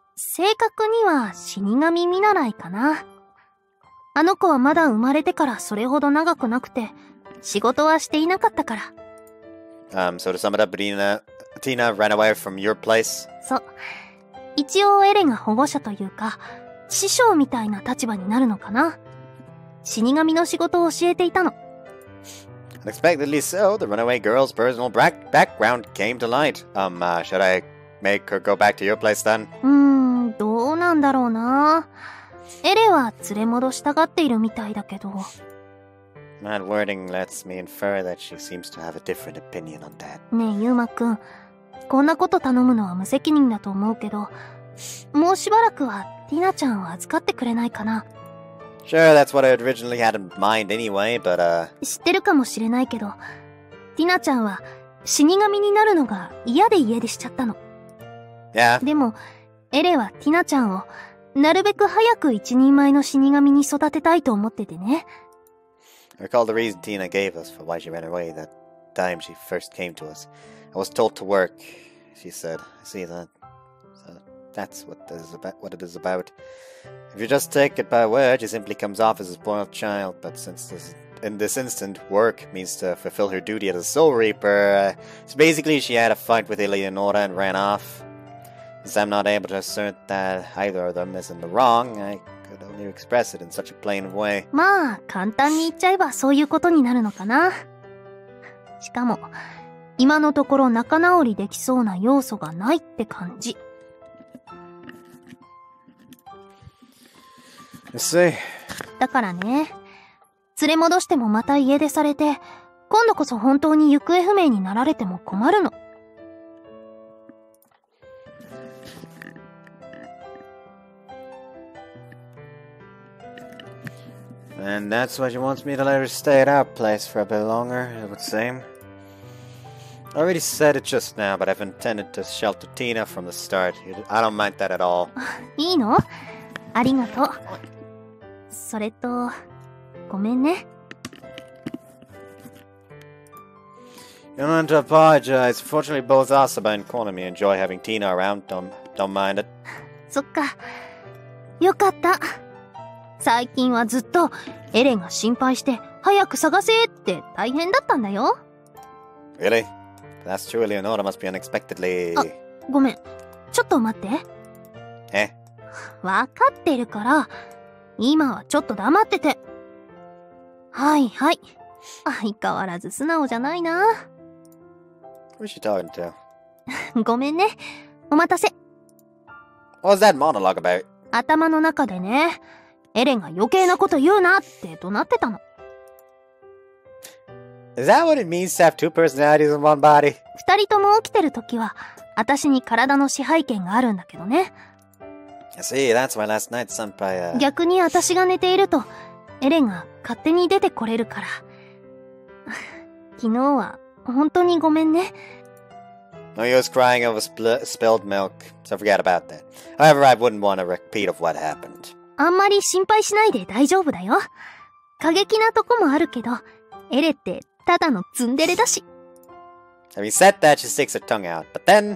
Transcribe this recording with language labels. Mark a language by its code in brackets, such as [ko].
[ja] 正確には死神見習いかな。あの子はまだ生まれてからそれほど長くなくて、仕事はしていなかったから。 [en] So to sum it up, Tina ran away from your place? [ja] そう。一応エレが保護者というか、師匠みたいな立場になるのかな。死神の仕事を教えていたの。 [en] Unexpectedly so, the runaway girl's personal background came to light. Should I make her go back to your place then? [ja] どうなんだろうな。エレは連れ戻したがっているみたいだけど。 [en] That wording lets me infer that she seems to have a different opinion on that. [ja] ねえ、ユーマ君。こんなこと頼むのは無責任だと思うけど、もうしばらくはティナちゃんを預かってくれないかな。 [en] Sure, that's what I originally had in mind anyway, but, [ja] 知ってるかもしれないけど、ティナちゃんは死神になるのが嫌で嫌でしちゃったの。 [en] Yeah. [ja] でも、エレはティナちゃんをなるべく早く一人前の死神に育てたいと思っててね。 [en] I recall the reason Tina gave us for why she ran away that time she first came to us. I was told to work, she said. See that? So, that's what it is about. If you just take it by word, she simply comes off as a spoiled child, but since this, in this instant, work means to fulfill her duty as a soul reaper, so basically she had a fight with Eleonora and ran off. Since I'm not able to assert that either of them is in the wrong, I could only express it in such a plain way. [ja] まあ、簡単に言っちゃえばそういうことになるのかな。しかも、今のところ仲直りできそうな要素がないって感じ。だからね、連れ戻してもまた家出されて、今度こそ本当に行方不明になられても困るの。 [en] And that's why she wants me to let her stay at our place for a bit longer, it would seem. I already said it just now, but I've intended to shelter Tina from the start. I don't mind that at all. [ja] いいの？ありがとう。それと、ごめんね。 [en] You don't have to apologize. Fortunately, both Asaba and Konami enjoy having Tina around. Don't mind it. [ja] そっか。よかった。最近はずっとエレンが心配して早く探せって大変だったんだよ。 [en] Really? That's true, Eleonora must be unexpectedly... [ja] ごめん。ちょっと待って。え？わかってるから。今はちょっと黙ってて。はいはい。相変わらず素直じゃないな。 [en] Who's she talking to? [ja] ごめんね。お待たせ。 [en] What's that monologue about? [ja] 頭の中でね、エレンが余計なこと言うなって怒鳴ってたの。 [en] Is that what it means to have two personalities in one body? [ja] 二人とも起きてる時は、私に体の支配権があるんだけどね。 [en] See, that's why last night, Senpai, [ja] 逆に私が寝ていると、エレンが勝手に出てこれるから。昨日は本当にごめんね。 [en] No, he was crying over spilled milk, so forget about that. However, I wouldn't want a repeat of what happened. [ja] あんまり心配しないで大丈夫だよ。過激なとこもあるけど、エレってただのツンデレだし。 [en] Having said that, she sticks her tongue out, but then...